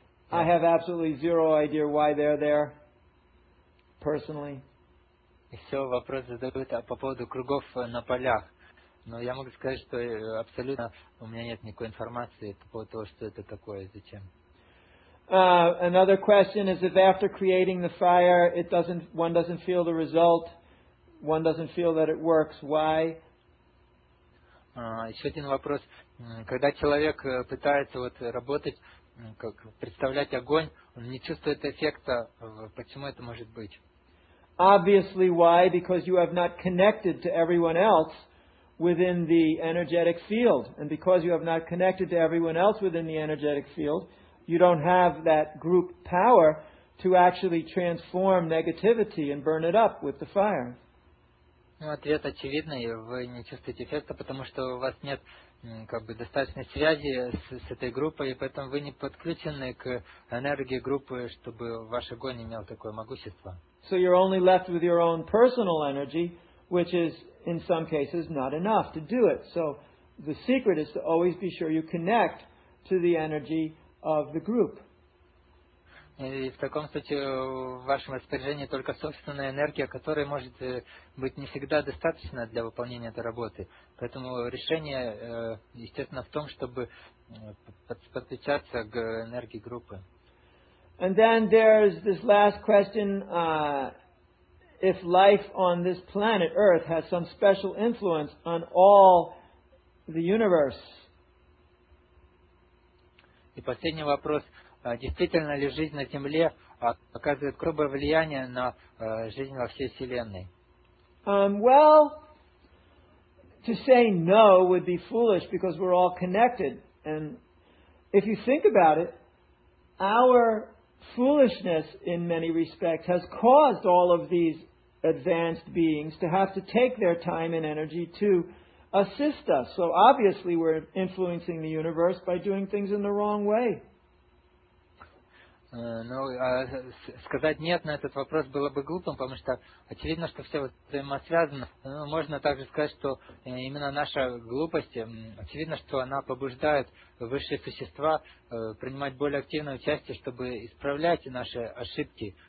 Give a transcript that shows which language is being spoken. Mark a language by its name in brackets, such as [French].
[English] I have absolutely zero idea why they're there, personally. [Russian] Все вопрос задают по поводу кругов на полях. Но я могу сказать, что абсолютно у меня нет никакой информации по поводу того, что это такое, зачем. [English] Another question is if after creating the fire, one doesn't feel the result. One doesn't feel that it works. Why? [Russian] Еще один вопрос. Когда человек пытается вот работать, как представлять огонь, он не чувствует эффекта. Почему это может быть? [English] Obviously, why? Because you have not connected to everyone else within the energetic field. And because you have not connected to everyone else within the energetic field, you don't have that group power to actually transform negativity and burn it up with the fire. [Russian] Ну, ответ очевидный, вы не чувствуете эффекта, потому что у вас нет как бы достаточной связи с этой группой, и поэтому вы не подключены к энергии группы, чтобы ваш огонь имел такое могущество. [English] So you're only left with your own personal energy, which is in some cases not enough to do it. So the secret is to always be sure you connect to the energy of the group. [Russian] И в таком случае в вашем распоряжении только собственная энергия, которая может быть не всегда достаточна для выполнения этой работы. Поэтому решение, естественно, в том, чтобы подключаться к энергии группы. [English] And then there's this last question, if life on this planet Earth has some special influence on all the universe. [Russian] И последний вопрос. Действительно ли жизнь на Земле оказывает грубое влияние на жизнь во всей Вселенной? [English] Well, to say no would be foolish because we're all connected. And if you think about it, our foolishness in many respects has caused all of these advanced beings to have to take their time and energy to assist us. So obviously we're influencing the universe by doing things in the wrong way. [Russian] Ну, сказать нет на этот вопрос было бы глупым, потому что очевидно, что все взаимосвязано. Ну, можно также сказать, что именно наша глупость, очевидно, что она побуждает высшие существа принимать более активное участие, чтобы исправлять наши ошибки.